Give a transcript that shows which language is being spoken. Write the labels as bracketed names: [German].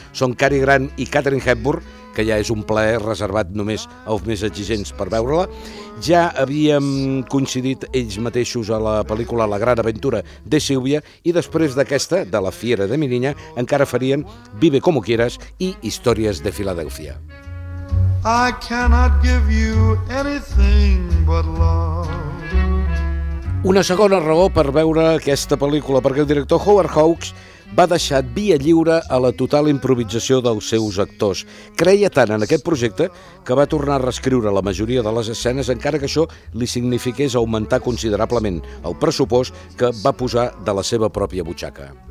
[Catalan] Són Cary Grant i Katharine Hepburn, que ja és un plaer reservat només als més exigents per veure-la. Ja havíem coincidit ells mateixos a la pel·lícula La Gran Aventura de Sílvia i després d'aquesta, de La Fiera de Mininha, encara farien Vive Como Quieras i Històries de Filadèlfia. [English] I cannot give you anything but love. [Catalan] Una segona raó per veure aquesta pel·lícula, perquè el director Howard Hawks va deixar via lliure a la total improvisació dels seus actors. Creia tant en aquest projecte que va tornar a reescriure la majoria de les escenes, encara que això li signifiqués augmentar considerablement el pressupost que va posar de la seva pròpia butxaca.